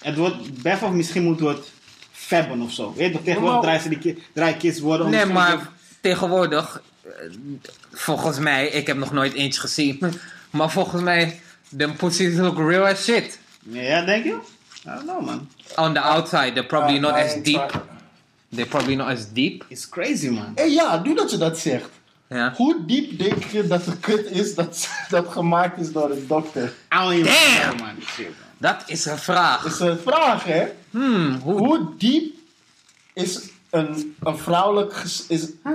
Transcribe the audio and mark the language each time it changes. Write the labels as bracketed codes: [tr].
[nl] Het wordt beffen, misschien moet het febben of zo. Weet je, tegenwoordig draaien kids worden... Nee, maar... Tegenwoordig, volgens mij, ik heb nog nooit eentje gezien, maar volgens mij, de [en] pussies look real as shit. [nl] Ja, denk je? [en] I don't know, man. On the outside, they're probably not as deep. They're probably not as deep. It's crazy, man. [nl] Hey, ja, doe dat je dat zegt. Ja. Hoe diep denk je dat de kut is dat gemaakt is door een dokter? [en] Damn! Man. Shit, man. [nl] Dat is een vraag. Dat is een vraag, hè? Hoe diep is... Een vrouwelijk is...